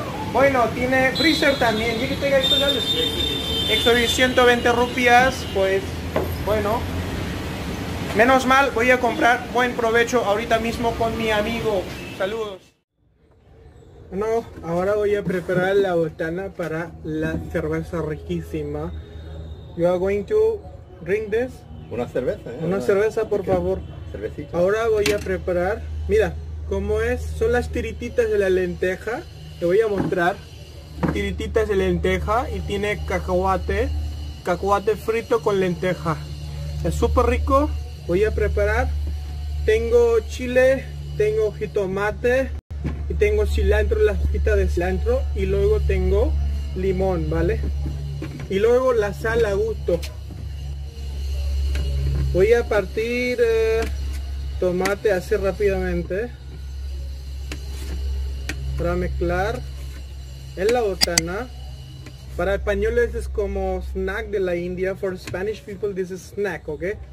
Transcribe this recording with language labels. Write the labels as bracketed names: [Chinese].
[Spanish] Bueno, tiene freezer también. ¿Y qué te gasto? Extra 120 rupias, pues bueno. Menos mal, voy a comprar. Buen provecho ahorita mismo con mi amigo. Saludos. Bueno, ahora voy a preparar la botana para la cerveza riquísima. [English] You are going to drink this? [Spanish] Una cerveza, ¿eh? Una cerveza, por favor. Cervecito. Ahora voy a preparar. Mira, cómo es. Son las tirititas de la lenteja. Te voy a mostrar. Tirititas de lenteja. Y tiene cacahuate. Cacahuate frito con lenteja. Es súper rico. Voy a preparar. Tengo chile. Tengo jitomate. Y tengo cilantro. Las hojitas de cilantro. Y luego tengo limón, ¿vale? Y luego la sal a gusto. Voy a partir tomate así rápidamente para mezclar en la botana. Para españoles es como snack de la India. [English] For Spanish people this is snack, ok.